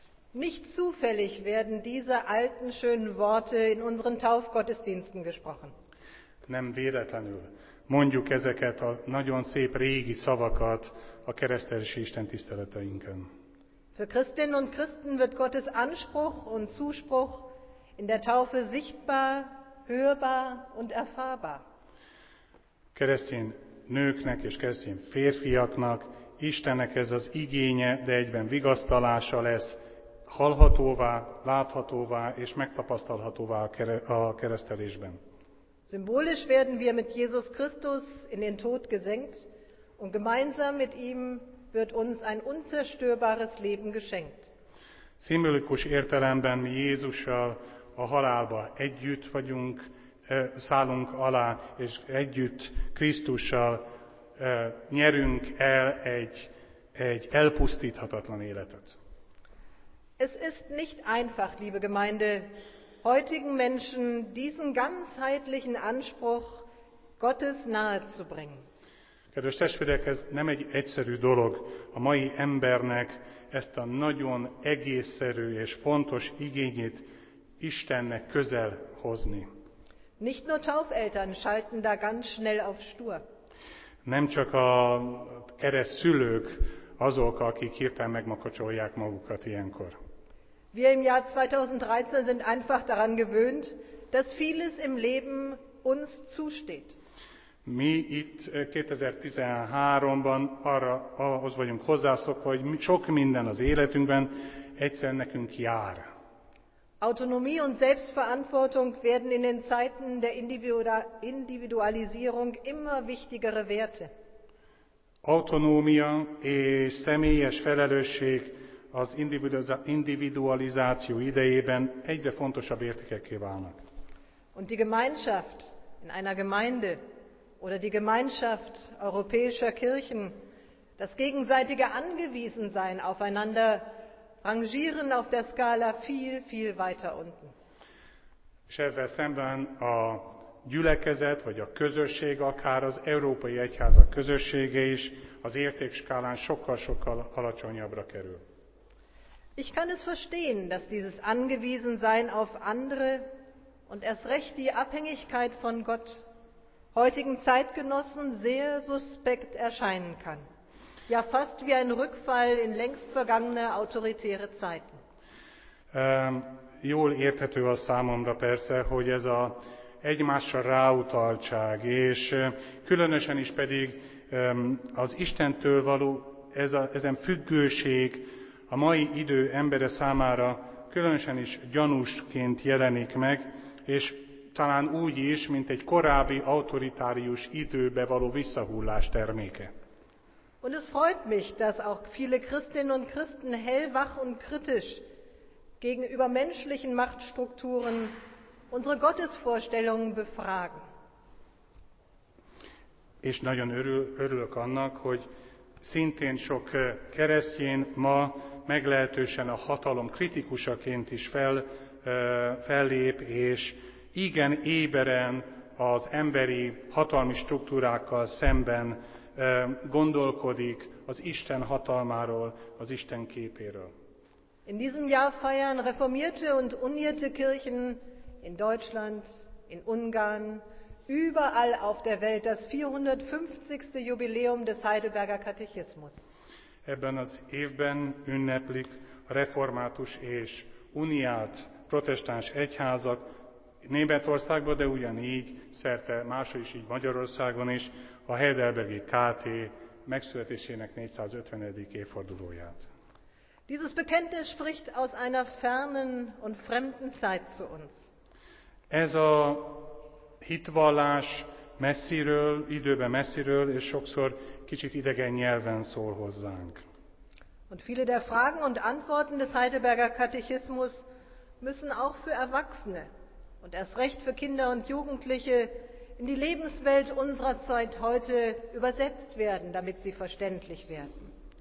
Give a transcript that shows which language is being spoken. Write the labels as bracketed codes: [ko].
[de] Nicht zufällig werden diese alten schönen Worte in unseren Taufgottesdiensten gesprochen. [hu] Nem véletlenül mondjuk ezeket a nagyon szép régi szavakat a keresztelési istentiszteleteinken. [de] Für Christinnen und Christen wird Gottes Anspruch und Zuspruch in der Taufe sichtbar, hörbar und erfahrbar. [hu] Keresztény nőknek és keresztény férfiaknak Istennek ez az igénye, de egyben vigasztalása lesz, hallhatóvá, láthatóvá és megtapasztalhatóvá a keresztelésben. [de] Symbolisch werden wir mit Jesus Christus in den Tod gesenkt und gemeinsam mit ihm wird uns ein unzerstörbares Leben geschenkt. [hu] Szimbolikus értelemben mi Jézussal a halálba együtt vagyunk, szállunk alá, és együtt Krisztussal nyerünk el egy elpusztíthatatlan életet. [de] Es ist nicht einfach, liebe Gemeinde, heutigen Menschen diesen ganzheitlichen Anspruch Gottes nahe zu bringen. [hu] Kedves testvérek, ez nem egy egyszerű dolog a mai embernek ezt a nagyon egészszerű és fontos igényét Istennek közel hozni. [de] Nicht nur Taufeltern schalten da ganz schnell auf stur. [hu] Nem csak a keresztszülők azok, akik hirtelen megmakacsolják magukat ilyenkor. [de] Wir im Jahr 2013 sind einfach daran gewöhnt, dass vieles im Leben uns zusteht. [hu] Mi itt 2013-ban ahhoz vagyunk hozzászokva, hogy sok minden az életünkben egyszer nekünk jár. [de] Autonomie und Selbstverantwortung werden in den Zeiten der Individualisierung immer wichtigere Werte. [hu] Autonomia és személyes felelősség az individualizáció idejében egyre fontosabb értékekké válnak. [de] Und die Gemeinschaft in einer Gemeinde oder die Gemeinschaft europäischer Kirchen, das gegenseitige Angewiesensein aufeinander rangieren auf der Skala viel, viel weiter unten. [hu] És ezzel szemben a gyülekezet vagy a közösség, akár az európai egyházak közössége is az értékskálán sokkal-sokkal alacsonyabbra kerül. [de] Ich kann es verstehen, dass dieses Angewiesensein auf andere und erst recht die Abhängigkeit von Gott heutigen Zeitgenossen sehr suspekt erscheinen kann. Ja, fast wie ein Rückfall in längst vergangene autoritäre Zeiten. [hu] Jól érthető a számomra persze, hogy ez a egymásra ráutaltság, és különösen is pedig az Istentől való ezen függőség a mai idő embere számára különösen is gyanúsként jelenik meg, és talán úgy is, mint egy korábbi autoritárius időbe való visszahullás terméke. [de] Und es freut mich, dass auch viele Christinnen und Christen hellwach und kritisch gegenüber menschlichen Machtstrukturen unsere Gottesvorstellungen befragen. [hu] És nagyon örülök annak, hogy szintén sok keresztjén ma meglehetősen a hatalom kritikusaként is fellép, és igen éberen az emberi hatalmi struktúrákkal szemben gondolkodik az Isten hatalmáról, az Isten képéről. [de] In diesem Jahr feiern reformierte und unierte Kirchen in Deutschland, in Ungarn, überall auf der Welt das 450. Jubiläum des Heidelberger Katechismus. [hu] Ebben az évben ünneplik a református és uniált protestáns egyházak Németországban, de ugyanígy szerte máshol is, így Magyarországon is, a Heidelbergi KT megszületésének 450. évfordulóját. [de] Dieses Bekenntnis spricht aus einer fernen und fremden Zeit zu uns. [hu] Ez a hitvallás messziről, időben messziről, és sokszor kicsit idegen nyelven szól hozzánk. [de] Und viele der Fragen und Antworten des Heidelberger Katechismus müssen auch für Erwachsene und erst recht für Kinder und Jugendliche in die Lebenswelt unserer Zeit heute übersetzt werden, damit sie verständlich werden.